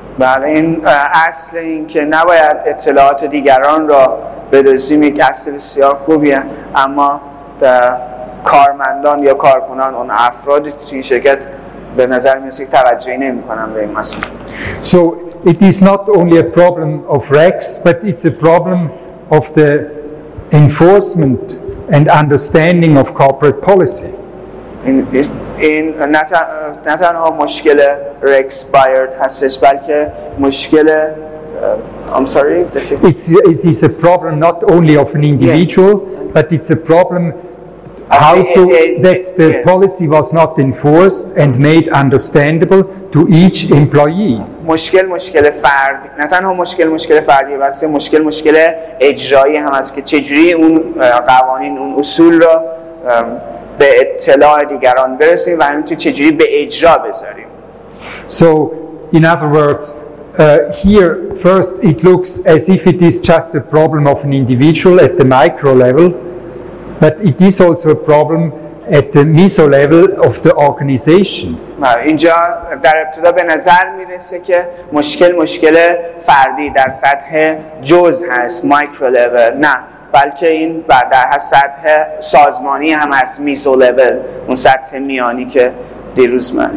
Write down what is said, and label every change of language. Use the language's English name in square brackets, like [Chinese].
[Persian] بله، این اصل این که نباید اطلاعات دیگران را بدزدیم یک اصل بسیار خوبیه، اما کارمندان یا کارکنان اون افراد توی شرکت به نظر میاد که توجهی نمی‌کنن به این مسئله. [English] So it is not only a problem of Rex, but it's a problem of the enforcement and understanding of corporate policy. [Persian] این نه تنها مشکل Rex Beyer هستش، بلکه مشکل [English] it is a problem not only of an individual, but it's a problem how policy was not enforced and made understandable to each employee. [Persian] مشکل فرد، نه تنها مشکل فردی، بلکه مشکل اجرایی هم است که چجوری اون قوانین، اون اصول رو به اطلاع دیگران برسیم و همینطور چجوری به اجرا بذاریم. [English] So in other words, here first it looks as if it is just a problem of an individual at the micro level, but it is also a problem at the meso level of the organization. [Persian] اینجا در ابتدا به نظر میرسه که مشکل فردی در سطح جزء هست، مایکرو لول، نه بلکه این بعد در سطح سازمانی هم از میزو لول، اون سطح میانی که دیروز